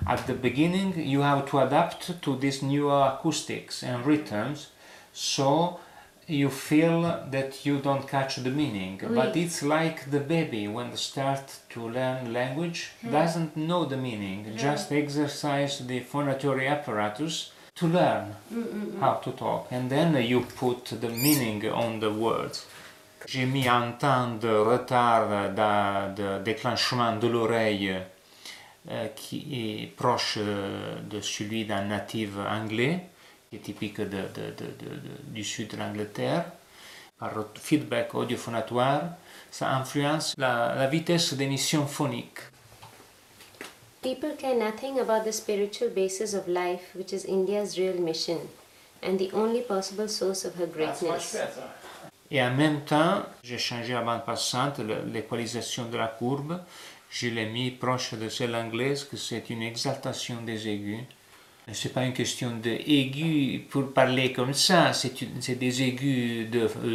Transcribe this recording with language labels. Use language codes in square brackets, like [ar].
[en] At the beginning you have to adapt to these newer acoustics and rhythms, so you feel that you don't catch the meaning. [fr] Oui. [en] But it's like the baby when they start to learn language doesn't know the meaning, just exercise the phonatory apparatus to learn how to talk, and then you put the meaning on the words. [fr] J'ai mis un temps de retard de déclenchement de l'oreille qui est proche de celui d'un natif anglais, qui est typique du sud de l'Angleterre. Par feedback audiophonatoire, ça influence la vitesse d'émission phonique. [en] People care nothing about the spiritual basis of life, which is India's real mission, and the only possible source of her greatness. [fr] Et en même temps, j'ai changé la bande passante, l'équalisation de la courbe. Je l'ai mis proche de celle anglaise, que c'est une exaltation des aigus. Ce n'est pas une question d'aigus pour parler comme ça, c'est des aigus de...